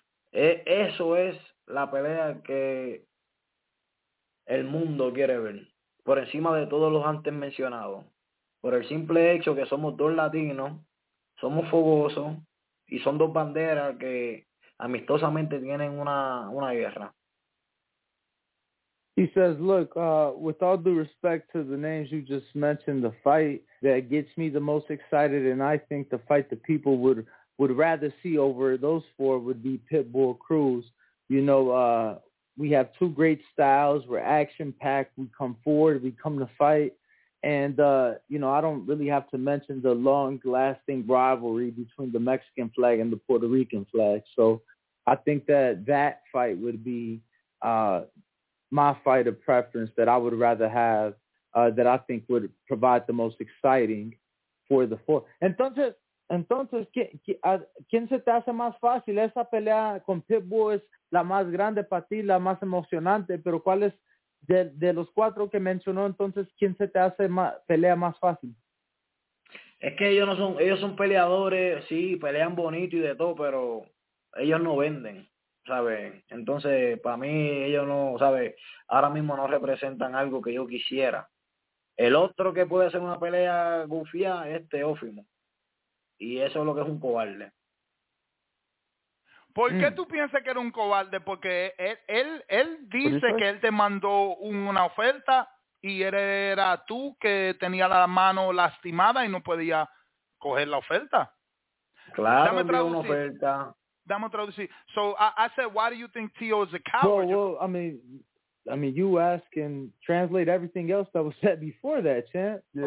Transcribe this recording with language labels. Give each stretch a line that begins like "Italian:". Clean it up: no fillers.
Spanish: Eso es la pelea que el mundo quiere ver, por encima de todos los antes mencionados, por el simple hecho que somos dos latinos, somos fogosos y son dos banderas que amistosamente tienen una guerra.
English: He says, look, with all due respect to the names you just mentioned, the fight that gets me the most excited, and I think the fight the people would rather see over those four would be Pitbull Cruz. You know, we have two great styles. We're action-packed. We come forward. We come to fight. And, you know, I don't really have to mention the long-lasting rivalry between the Mexican flag and the Puerto Rican flag. So I think that fight would be my fight of preference that I would rather have, that I think would provide the most exciting for the four.
Spanish: Entonces, ¿quién se te hace más fácil? Esa pelea con Pitbull es la más grande para ti, la más emocionante, pero ¿cuál es de los cuatro que mencionó? Entonces, ¿quién se te hace pelea más fácil? Es que ellos son peleadores, sí, pelean bonito y de todo, pero ellos no venden, ¿sabes? Entonces, para mí, ellos no, ¿sabes? Ahora mismo no representan algo que yo quisiera. El otro que puede hacer una pelea gufía es Teófimo. Y eso es lo que es un cobarde. ¿Por qué tú piensas que era un cobarde? Porque él dice que él te mandó una oferta y era tú que tenía la mano lastimada y no podía coger la oferta. Claro, dame una oferta. Dame traducir.
English: So I said, why do you think T.O. is a coward? Well, I mean, you ask and translate everything else that was said before that, champ.